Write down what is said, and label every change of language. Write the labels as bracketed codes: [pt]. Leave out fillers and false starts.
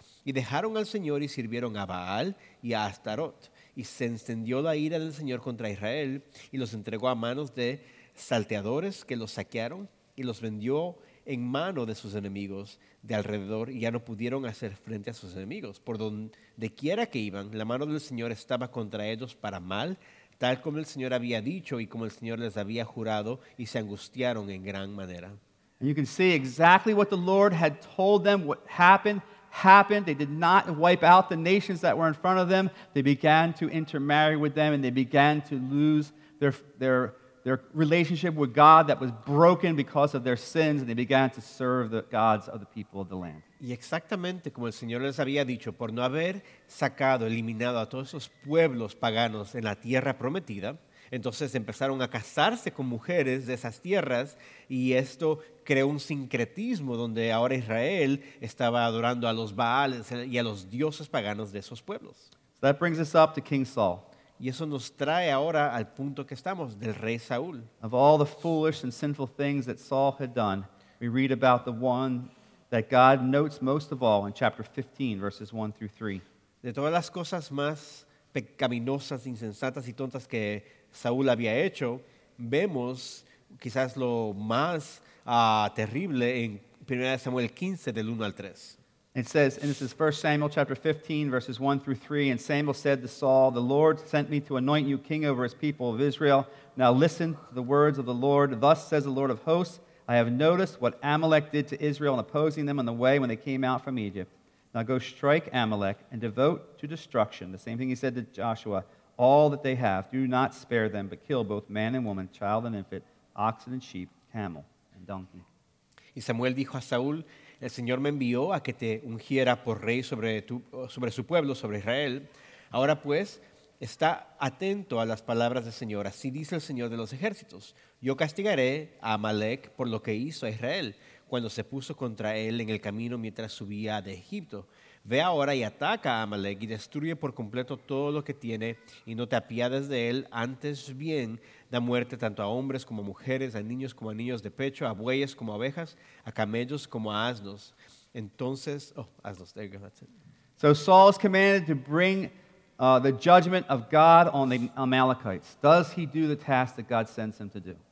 [es] y dejaron al Señor y sirvieron a Baal y a Astarot, y se encendió la ira del Señor contra Israel, y los entregó a manos de salteadores que los saquearon, y los vendió en mano de sus enemigos de alrededor, y ya no pudieron hacer frente a sus enemigos. Por donde quiera que iban, la mano del Señor estaba contra ellos para mal, tal como el Señor había dicho y como el Señor les había jurado, y se angustiaron en gran manera. [en] And you can see exactly what the Lord had told them, what happened. They did not wipe out the nations that were in front of them. They began to intermarry with them, and they began to lose their relationship with God that was broken because of their sins, and they began to serve the gods of the people of the land. [es] Y exactamente como el Señor les había dicho, por no haber sacado, eliminado a todos esos pueblos paganos en la tierra prometida, entonces empezaron a casarse con mujeres de esas tierras, y esto creó un sincretismo donde ahora Israel estaba adorando a los Baales y a los dioses paganos de esos pueblos. [en] So that brings us up to King Saul. [es] Y eso nos trae ahora al punto que estamos, del rey Saúl. [en] Of all the foolish and sinful things that Saul had done, we read about the one that God notes most of all in chapter 15, verses 1 through 3. [es] De todas las cosas más pecaminosas, insensatas y tontas que Saúl había hecho, vemos quizás lo más terrible en 1 Samuel 15, del 1 al 3. [en] It says, and this is 1 Samuel chapter 15, verses 1 through 3, and Samuel said to Saul, "The Lord sent me to anoint you king over his people of Israel. Now listen to the words of the Lord. Thus says the Lord of hosts, I have noticed what Amalek did to Israel in opposing them on the way when they came out from Egypt. Now go strike Amalek and devote to destruction, the same thing he said to Joshua, all that they have. Do not spare them, but kill both man and woman, child and infant, oxen and sheep, camel and donkey." [es] Y Samuel dijo a Saúl, "El Señor me envió a que te ungiera por rey sobre su pueblo, sobre Israel. Ahora pues, está atento a las palabras del Señor. Así dice el Señor de los ejércitos. Yo castigaré a Amalek por lo que hizo a Israel cuando se puso contra él en el camino mientras subía de Egipto. Ve ahora y ataca a Amalek y destruye por completo todo lo que tiene y no te apiades de él. Antes bien, da muerte tanto a hombres como a mujeres, a niños como a niños de pecho, a bueyes como a ovejas, a camellos como a asnos." Entonces, asnos, [en] there you go, that's it. So Saul is commanded to bring the judgment of God on the Amalekites. Does he do the task that God sends him to do?